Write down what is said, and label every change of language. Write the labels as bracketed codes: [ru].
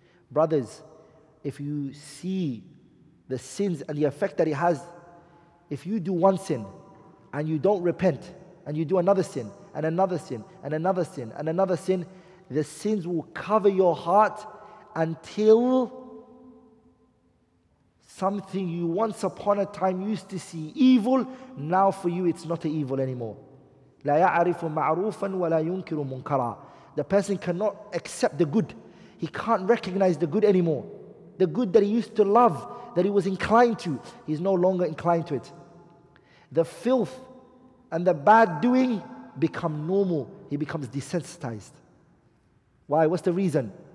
[en] Brothers, if you see the sins and the effect that it has, if you do one sin and you don't repent, and you do another sin, and another sin, and another sin, and another sin, the sins will cover your heart until something you once upon a time used to see evil, now for you it's not evil anymore. [ar] لا يعرف معروفا ولا ينكر منكرا. [en] The person cannot accept the good. He can't recognize the good anymore. The good that he used to love, that he was inclined to, he's no longer inclined to it. The filth and the bad doing become normal. He becomes desensitized. Why? What's the reason?